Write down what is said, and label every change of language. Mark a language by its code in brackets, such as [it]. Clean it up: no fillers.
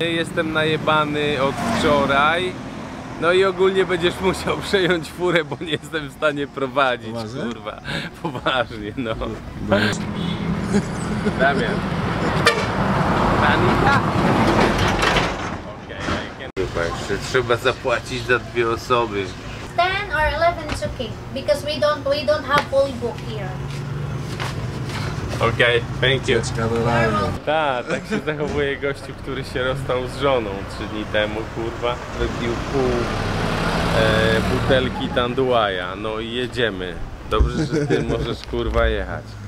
[pl] Jestem najebany od wczoraj, no i ogólnie będziesz musiał przejąć furę, bo nie jestem w stanie prowadzić, kurwa. Poważnie, no. Damian. Panika? Okej, jeszcze trzeba zapłacić za dwie osoby. [en] 10 or 11 is okay, because we don't have fully booked here. Okej, thank you. [pl] Tak się zachowuje gościu, który się rozstał z żoną 3 dni temu, kurwa. Wybił pół butelki Tanduaya. No i jedziemy. Dobrze, że ty możesz, kurwa, jechać.